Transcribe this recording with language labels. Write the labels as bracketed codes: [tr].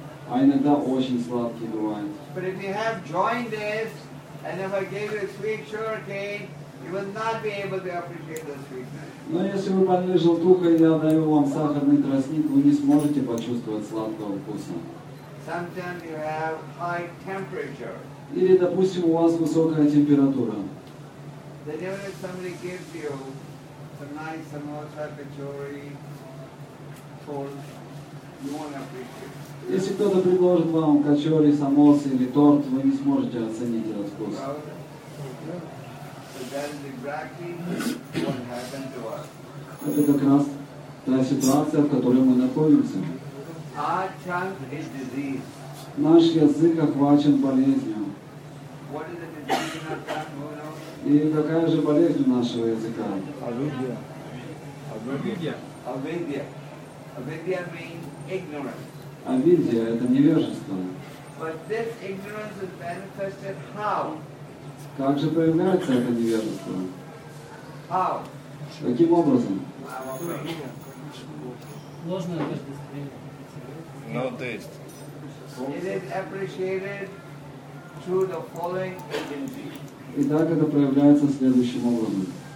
[ru] А иногда очень сладкий бывает. [en] But if you have jaundice and if I gave you a sweet sugar cane, you will not be able to appreciate the sweetness. [ru] Но если вы больны желтухой, я даю вам сахарный тростник, вы не сможете почувствовать сладкого вкуса. [en] Sometimes you have high temperature. [ru] Или, допустим, у вас высокая температура. [en] Then even if somebody gives you some nice samosa, kachori, torts, you won't appreciate it. [ru] Если кто-то предложит вам кочори, самосы или торт, вы не сможете оценить этот вкус. Правда? [en] So that is exactly what happened to us. [ru] Это как раз та ситуация, в которой мы находимся. [en] Our tongue is disease. [ru] Наш язык охвачен болезнью. [en] What is the disease in our tongue? [ru] И какая же болезнь у нашего языка? Авидья. Авидья. Авидья. [en] Авидья means ignorance. [ru] Авидья – это невежество. [en] But this ignorance is manifested how? [ru] Как же проявляется это невежество? [en] How? [ru] Каким образом? Ложное впечатление. [en] No taste. It is appreciated through the following agency. [ru] И так это проявляется следующим образом.